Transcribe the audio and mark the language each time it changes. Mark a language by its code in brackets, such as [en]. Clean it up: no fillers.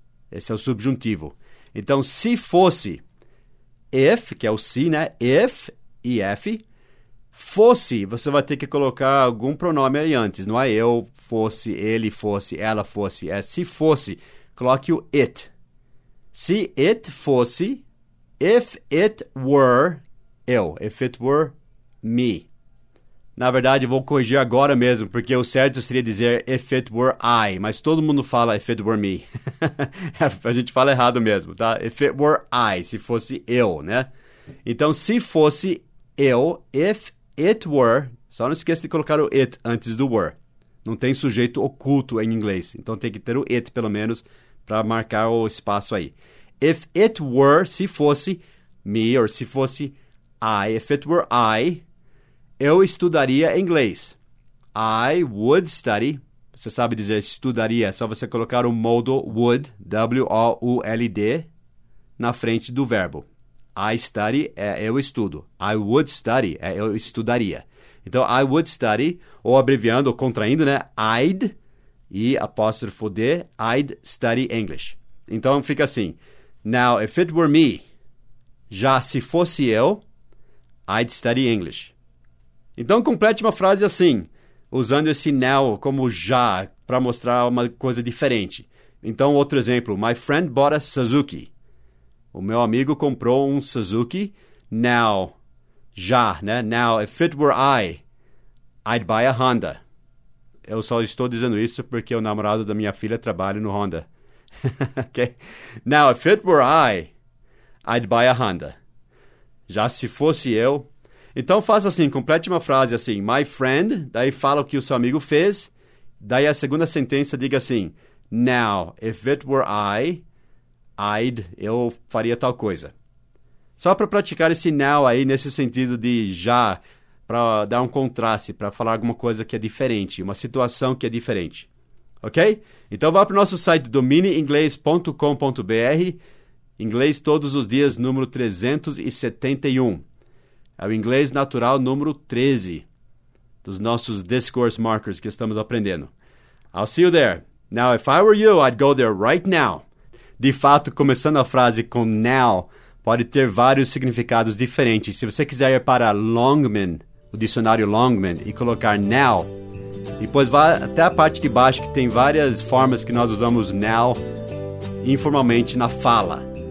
[pt] Esse é o subjuntivo. Então, se fosse, if, que é o se, né? If, E-F, fosse, você vai ter que colocar algum pronome aí antes. Não é eu fosse, ele fosse, ela fosse. É se fosse, coloque o it. Se [en] it [pt] fosse, [en] if it were [pt] eu, [en] if it were me. [pt] Na verdade, vou corrigir agora mesmo, porque o certo seria dizer [en] if it were I, [pt] mas todo mundo fala [en] if it were me. [pt] A gente fala errado mesmo, tá? [en] If it were I, [pt] se fosse eu, né? Então, se fosse eu, [en] if it were, [pt] só não esqueça de colocar o it antes do were. Não tem sujeito oculto em inglês, então tem que ter o it, pelo menos, para marcar o espaço aí. [en] If it were, [pt] se fosse [en] me, [pt] ou se fosse [en] I, if it were I, [pt] eu estudaria inglês. [en] I would study, [pt] você sabe dizer estudaria, é só você colocar o modal would, W-O-U-L-D, na frente do verbo. [en] I study [pt] é eu estudo. [en] I would study [pt] é eu estudaria. Então, [en] I would study, [pt] ou abreviando, ou contraindo, né? [en] I'd, [pt] e apóstrofo D, [en] I'd study English. [pt] Então, fica assim. [en] Now, if it were me, [pt] já se fosse eu, [en] I'd study English. [pt] Então, complete uma frase assim, usando esse now como já, para mostrar uma coisa diferente. Então, outro exemplo. [en] My friend bought a Suzuki. [pt] O meu amigo comprou um Suzuki. [en] Now, [pt] já, né? [en] Now, if it were I, I'd buy a Honda. [pt] Eu só estou dizendo isso porque o namorado da minha filha trabalha no Honda. [en] Okay? Now, if it were I, I'd buy a Honda. [pt] Já se fosse eu... Então, faça assim, complete uma frase assim. [en] My friend, [pt] daí fala o que o seu amigo fez. Daí a segunda sentença diga assim. [en] Now, if it were I, I'd, [pt] eu faria tal coisa. Só para praticar esse now aí, nesse sentido de já, para dar um contraste, para falar alguma coisa que é diferente, uma situação que é diferente. Ok? Então, vá para o nosso site domineinglês.com.br. Inglês todos os dias, número 371. É o inglês natural número 13 dos nossos discourse markers que estamos aprendendo. [en] I'll see you there. Now, if I were you, I'd go there right now. [pt] De fato, começando a frase com now pode ter vários significados diferentes. Se você quiser ir para Longman, o dicionário Longman, e colocar now, depois vá até a parte de baixo que tem várias formas que nós usamos now informalmente na fala.